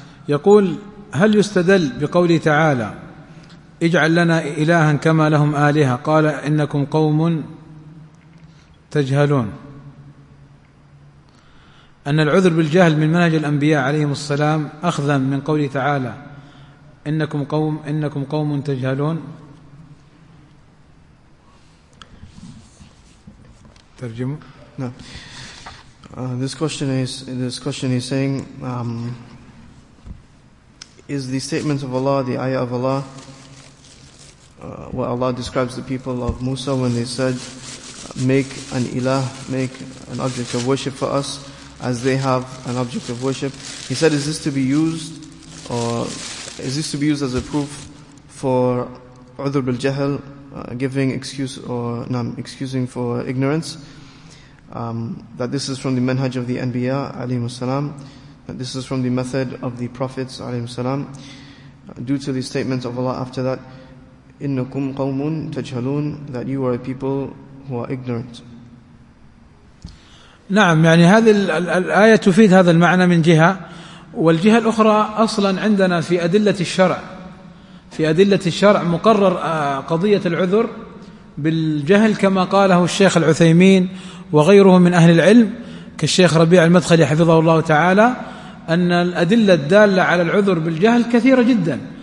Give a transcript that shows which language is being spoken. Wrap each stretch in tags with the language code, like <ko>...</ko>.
<ar>يقول: هل يستدل بقوله تعالى اجعل لنا إلها كما لهم آلهة قال إنكم قوم تجهلون, أن العذر بالجهل من منهج الأنبياء عليهم السلام أخذا من قوله تعالى إنكم قوم تجهلون؟ ترجمه.</ar> <en>This question is saying, is the statement of Allah, the ayah of Allah, where Allah describes the people of Musa when they said, make an ilah, make an object of worship for us, as they have an object of worship. He said, is this to be used as a proof for udhr bil jahl, giving excuse or excusing for ignorance? That this is from the manhaj of the Anbiya alayhi wasalam, that this is from the method of the Prophets alayhi wasalam, due to the statement of Allah after that,</en> <ar>إِنَّكُمْ قَوْمٌ تَجْهَلُونَ,</ar> <en>that you are a people who are ignorant.</en> <ar>نعم, يعني هذه الآية تفيد هذا المعنى من جهة, والجهة الأخرى أصلا عندنا في أدلة الشرع, في أدلة الشرع مقرر قضية العذر بالجهل كما قاله الشيخ العثيمين وغيره من أهل العلم كالشيخ ربيع المدخلي حفظه الله تعالى, أن الأدلة الدالة على العذر بالجهل كثيرة جدا,</ar>